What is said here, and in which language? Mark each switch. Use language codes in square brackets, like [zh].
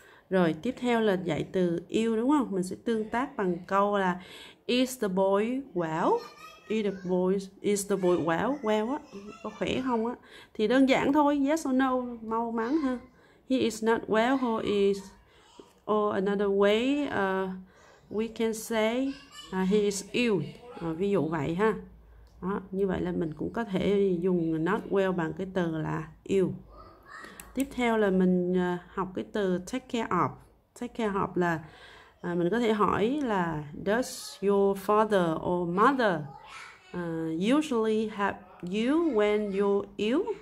[vi] Rồi tiếp theo là dạy từ yêu đúng không, mình sẽ tương tác bằng câu là [en] is the boy well, is the boy well [vi] á, có khỏe không á, thì đơn giản thôi, [en] yes or no, [vi] mau mắn ha. [en] He is not well, he is Or another way, we can say he is ill. [vi] Ví dụ vậy ha. Đó, như vậy là mình cũng có thể dùng not well bằng cái từ là ill. Tiếp theo là mình học cái từ take care of. [en] Take care of [vi] là mình có thể hỏi là [en] does your father or mother usually help you when you're ill?